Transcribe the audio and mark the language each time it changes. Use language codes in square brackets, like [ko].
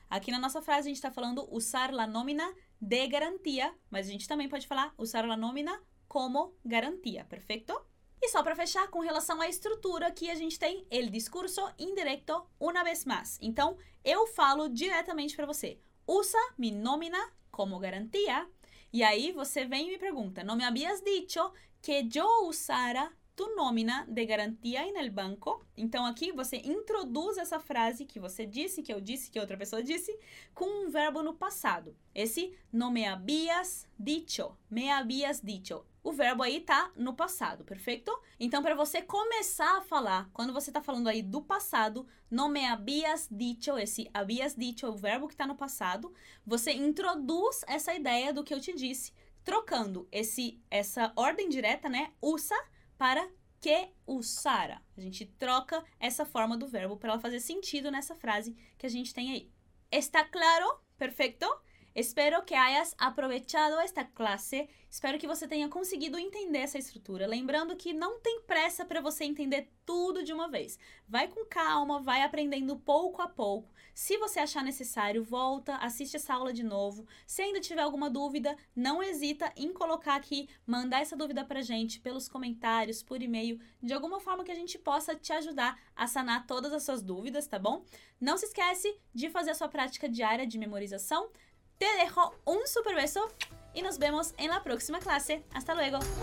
[pt] Aqui na nossa frase, a gente está falando [es] usar la nómina de garantía, [pt] mas a gente também pode falar [es] usar la nómina como garantia, [pt] perfeito? E só para fechar, com relação à estrutura, aqui a gente tem [es] el discurso indirecto una vez más. [pt] Então, eu falo diretamente para você. [es] Usa mi nómina como garantía. [pt] E aí você vem e me pergunta, [es] no me habías dicho que yo usara tu nómina de garantía en el banco? [pt] Então aqui você introduz essa frase que você disse, que eu disse, que outra pessoa disse, com um verbo no passado. [es] Esse no me habías dicho, me habías dicho. [pt] O verbo aí tá no passado, perfeito? Então, para você começar a falar, quando você tá falando aí do passado, no me habías dicho, esse habías dicho, o verbo que tá no passado, você introduz essa ideia do que eu te disse, trocando essa ordem direta, né, usa, para que usara. A gente troca essa forma do verbo para ela fazer sentido nessa frase que a gente tem aí. Está claro? Perfeito? [es] Espero que hayas aprovechado esta clase. [pt] Espero que você tenha conseguido entender essa estrutura. Lembrando que não tem pressa para você entender tudo de uma vez. Vai com calma, vai aprendendo pouco a pouco. Se você achar necessário, volta, assiste essa aula de novo. Se ainda tiver alguma dúvida, não hesita em colocar aqui, mandar essa dúvida para gente pelos comentários, por e-mail, de alguma forma que a gente possa te ajudar a sanar todas as suas dúvidas, tá bom? Não se esquece de fazer a sua prática diária de memorização. [es] Te dejo un super beso y nos vemos en la próxima clase. Hasta luego.